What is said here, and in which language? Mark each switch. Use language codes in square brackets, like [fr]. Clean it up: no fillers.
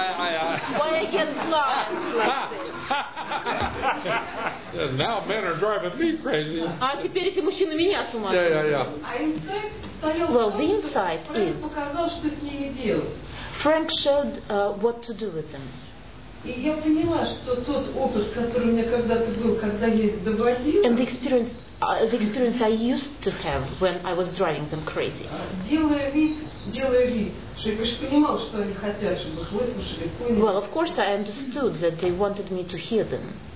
[en] Why I get blocked like this? Now men are driving me crazy. Well, the insight is Frank showed what to do with them. [ru] И я поняла, что тот опыт, который у меня когда-то был, когда я их доводила, [en] and the experience I used to have when I was driving them crazy. [ru] Делая вид, чтобы я понимала, что они хотят, чтобы их выслушали, поняли. [en] Well, of course, I understood that they wanted me to hear them.